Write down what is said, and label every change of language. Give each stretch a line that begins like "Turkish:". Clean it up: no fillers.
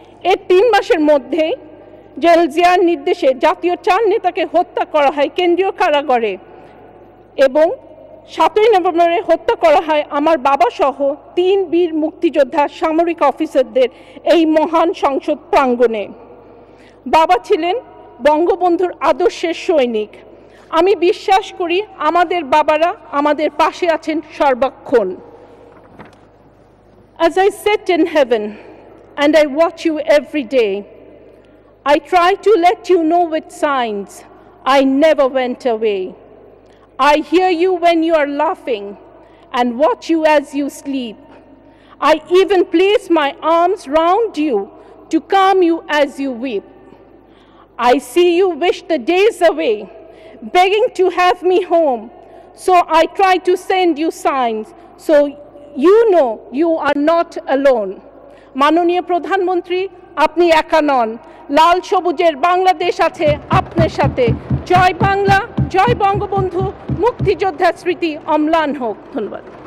Bangla: এর 3 মাসের মধ্যে জেনারেল জিয়ার নির্দেশে জাতীয় 4 নেতাকে হত্যা করা হয় কেন্দ্রীয় কারাগারে এবং 7ই নভেম্বরে হত্যা করা হয় আমার বাবা সহ 3 বীর মুক্তিযোদ্ধা সামরিক অফিসারদের এই মহান সংসদ প্রাঙ্গণে। বাবা ছিলেন বঙ্গবন্ধুর আদর্শের সৈনিক। আমি বিশ্বাস করি আমাদের বাবারা আমাদের পাশে আছেন সর্বক্ষণ।
English: As I sit in heaven and I watch you every day, I try to let you know with signs I never went away. I hear you when you are laughing and watch you as you sleep. I even place my arms round you to calm you as you weep. I see you wish the days away, begging to have me home. So I try to send you signs so you know you are not alone.
Bangla: মাননীয় প্রধানমন্ত্রী, আপনি একা নন, লাল সবুজের বাংলাদেশ আছে আপনার সাথে। জয় বাংলা, জয় বঙ্গবন্ধু, মুক্তিযোদ্ধা স্মৃতি অম্লান হোক। ধন্যবাদ।